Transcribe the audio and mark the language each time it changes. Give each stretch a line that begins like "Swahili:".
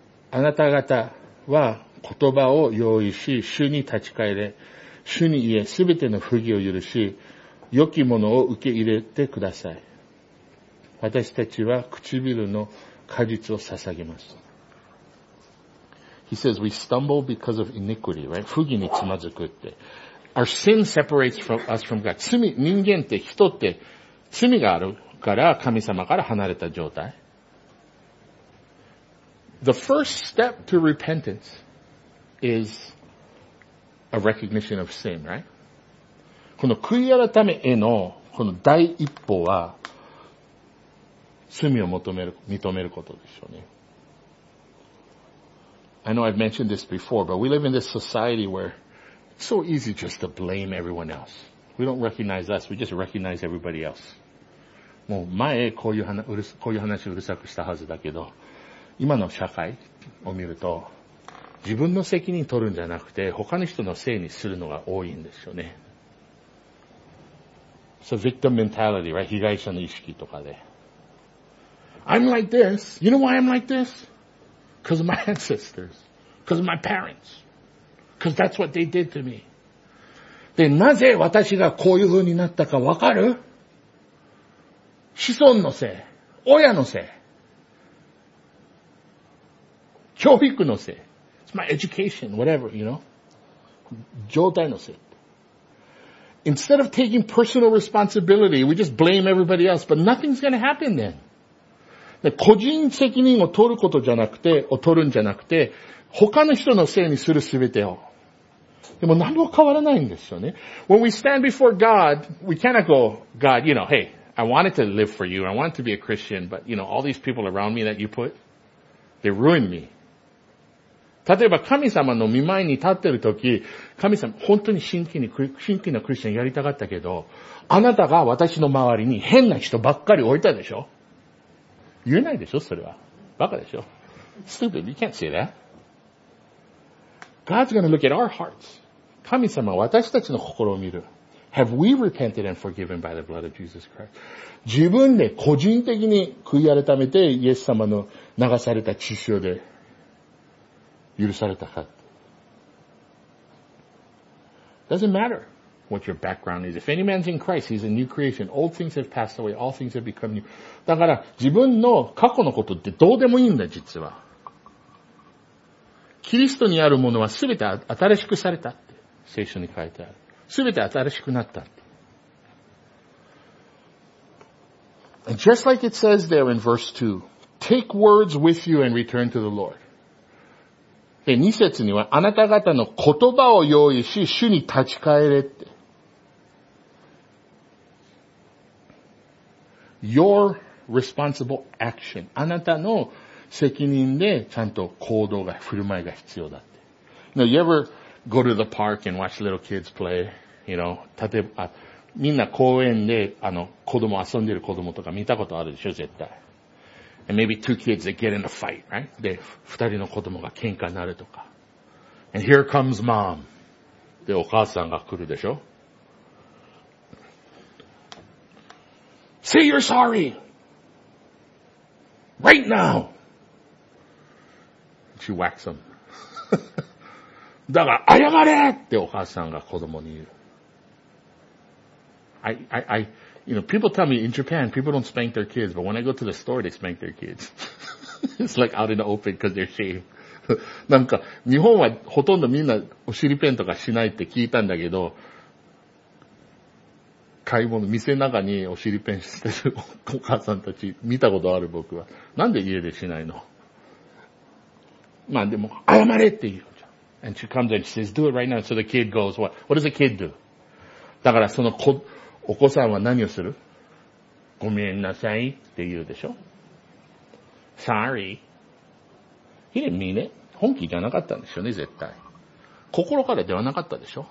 Japanese: あなた方は、言葉を用意し、主に立ち返れ。主に言え、すべての不義を許し、良きものを受け入れてください。私たちは唇の果実を捧げます。
English: He says, we stumble because of iniquity, right?
Japanese: 不義につまずくって。
English: Our sin separates us from God.
Japanese: 罪、人間って人って罪があるから神様から離れた状態。
English: The first step to repentance. Is a recognition of sin, right?
Japanese: この悔い改めへのこの第一歩は罪を認めることでしょうね。
English: I know I've mentioned this before, but we live in this society where it's so easy just to blame everyone else. We don't recognize us, we just recognize everybody else.
Japanese: もう前こういう話うるさくしたはずだけど、今の社会を見ると自分の責任取るんじゃなくて、他の人のせいにするのが多いんですよね。
English: So victim mentality, right?
Japanese: 被害者の意識とかで。
English: I'm like this. You know why I'm like this? Because of my ancestors. Because of my parents. Because that's what they did to me.
Japanese: で、なぜ私がこういう風になったかわかる？子孫のせい。親のせい。教育のせい。
English: My education, whatever, you know.
Japanese: 状態のせい。
English: Instead of taking personal responsibility, we just blame everybody else, but nothing's gonna happen then.
Japanese: 個人責任を取ることじゃなくて、を取るんじゃなくて、他の人のせいにするすべてを。でも何も変わらないんですよね。
English: When we stand before God, we cannot go, God, you know, hey, I wanted to live for you, I wanted to be a Christian, but you know, all these people around me that you put, they ruined me.
Japanese: 例えば神様の御前に立ってるとき、神様、本当に真剣なクリスチャンやりたかったけど、あなたが私の周りに変な人ばっかり置いたでしょ？言えないでしょ、それは。バカでしょ
English: ?stupid, you can't say that. God's gonna look at our hearts.
Japanese: 神様は私たちの心を見る。
English: Have we repented and forgiven by the blood of Jesus Christ?
Japanese: 自分で個人的に悔い改めて、イエス様の流された血潮で、許されたか。
English: Doesn't matter what your background is. If any man's in Christ, he's a new creation. Old things have passed away. All things have become new.
Japanese: だから自分の過去のことってどうでもいいんだ、実は。キリストにあるものはすべて新しくされたって聖書に書いてある。すべて新しくなったって。
English: And just like it says there in verse 2, take words with you and return to the Lord.
Japanese: で、二節には、あなた方の言葉を用意し、主に立ち返れって。
English: Your responsible action.
Japanese: あなたの責任で、ちゃんと行動が、振る舞いが必要だって。
English: Now, you ever go to the park and watch little kids play? You know,
Japanese: 例えば、みんな公園で、子供遊んでる子供とか見たことあるでしょ、絶対。
English: And maybe two kids that get in a fight, right?
Japanese: で、二人の子供が喧嘩になるとか。
English: And here comes mom.
Japanese: で、お母さんが来るでしょ。
English: Say you're sorry! Right now! She whacks him.
Japanese: だから、謝れ! ってお母さんが子供に言う。
English: You know, people tell me in Japan, people don't spank their kids, but when I go to the store, they spank their kids. It's like out in the open because they're ashamed.
Japanese: なんか、日本はほとんどみんなお尻ペンとかしないって聞いたんだけど、買い物、店の中にお尻ペンしてるお母さんたち見たことある僕は。なんで家でしないの? まあでも、謝れって言うじゃん。
English: And she comes and she says, do it right now. So the kid goes, what does the kid do?
Japanese: だからその子、お子さんは何をする?ごめんなさいって言うでしょ?
English: Sorry. He didn't mean it.
Japanese: 本気じゃなかったんでしょうね、絶対。心からではなかったでしょ?